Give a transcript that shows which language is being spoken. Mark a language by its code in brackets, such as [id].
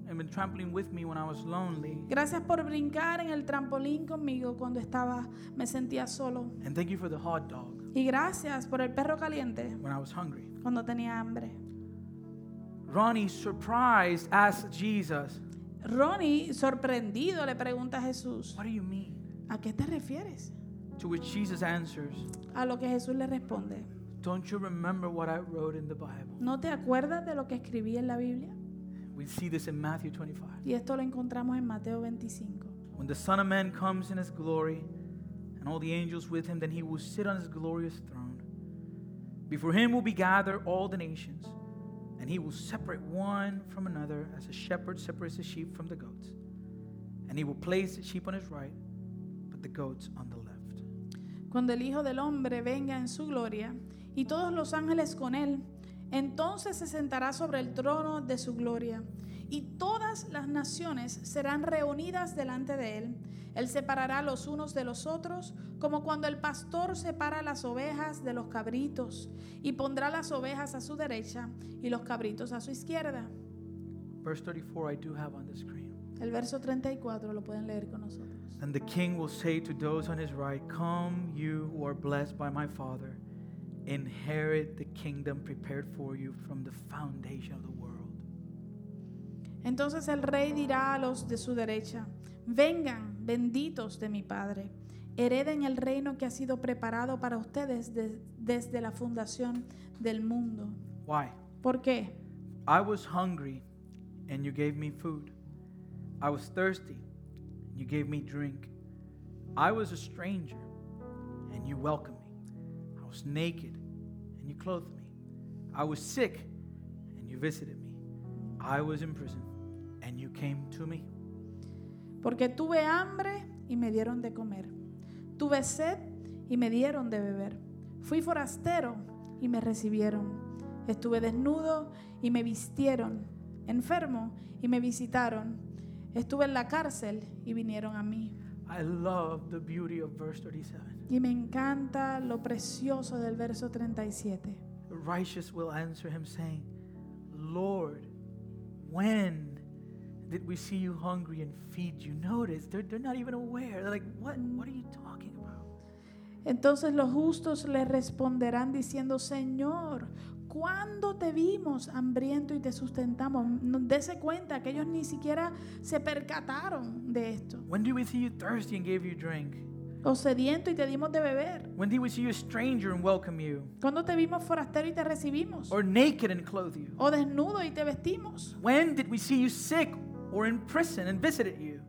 [en] And been trampling with me when I was lonely. [es] Gracias por brincar en el trampolín conmigo cuando estaba me sentía solo. [en] And thank you for the hot dog. [es] Y gracias por el perro caliente. [en] When I was hungry. [es] Cuando tenía hambre. [en] Ronnie surprised asked Jesus. [es] Ronnie sorprendido le pregunta a Jesús. [en] What do you mean? [es] ¿A qué te refieres? [en] To which Jesus answers. [es] A lo que Jesús le responde. [en] Don't you remember what I wrote in the Bible? [es] ¿No te acuerdas de lo que escribí en la Biblia? [en] We see this in Matthew 25. [es] Y esto lo encontramos en Mateo 25. [en] When the Son of Man comes in his glory and all the angels with him, then he will sit on his glorious throne. Before him will be gathered all the nations, and he will separate one from another as a shepherd separates the sheep from the goats. And he will place the sheep on his right, but the goats on the left. [es] Cuando el Hijo del Hombre venga en su gloria y todos los ángeles con él, entonces se sentará sobre el trono de su gloria, y todas las naciones serán reunidas delante de él. Él separará los unos de los otros, como cuando el pastor separa las ovejas de los cabritos, y pondrá las ovejas a su derecha y los cabritos a su izquierda. [en] Verse 34, I do have on the screen. [es] El verso 34 lo pueden leer con nosotros. [en] And the king will say to those on his right, come you who are blessed by my father, inherit the kingdom prepared for you from the foundation of the world. [es] Entonces el rey dirá a los de su derecha, vengan, benditos de mi padre, hereden el reino que ha sido preparado para ustedes desde la fundación del mundo. [en] Why? [es] ¿Por qué? [en] I was hungry and you gave me food. I was thirsty and you gave me drink. I was a stranger and you welcomed me. I was naked and you clothed me. I was sick and you visited me. I was in prison and you came to me. [es] Porque tuve hambre y me dieron de comer. Tuve sed y me dieron de beber. Fui forastero y me recibieron. Estuve desnudo y me vistieron. Enfermo y me visitaron. Estuve en la cárcel y vinieron a mí. [en] I love the beauty of verse 37. [es] Y me encanta lo precioso del verso 37. [en] The righteous will answer him saying, Lord, when did we see you hungry and feed you? Notice, they're not even aware. They're like, what are you talking about? [es] Entonces los justos le responderán diciendo, Señor, ¿cuándo te vimos hambriento y te sustentamos? Dese cuenta que ellos ni siquiera se percataron de esto. [en] When did we see you thirsty and gave you drink? [es] O sediento y te dimos de beber. [en] When did we see you a stranger and welcome you? [es] ¿Cuándo te vimos forastero y te recibimos? [en] Or naked and clothed you? [es] O desnudo y te vestimos. [en] When did we see you sick or in prison and visited you?